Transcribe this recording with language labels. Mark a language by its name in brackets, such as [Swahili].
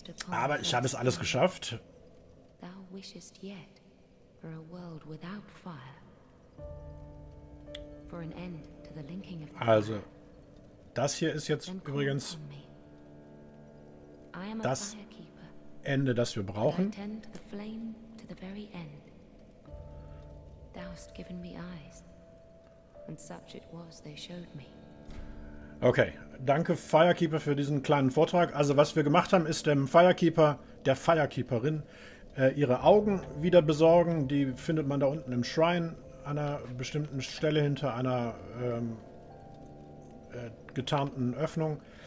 [German] Aber ich habe es alles geschafft. [English] Thou wishest yet for a world without fire, for an end to the linking of the fire. [German] Also, das hier ist jetzt übrigens das Ende, das wir brauchen. [English] I tend to the flame to the very end. Thou hast given me eyes, and such it was they showed me. [German] Okay, danke Firekeeper für diesen kleinen Vortrag. Also, was wir gemacht haben, ist dem Firekeeper, der Firekeeperin, ihre Augen wieder besorgen. Die findet man da unten im Shrine an einer bestimmten Stelle hinter einer getarnten Öffnung.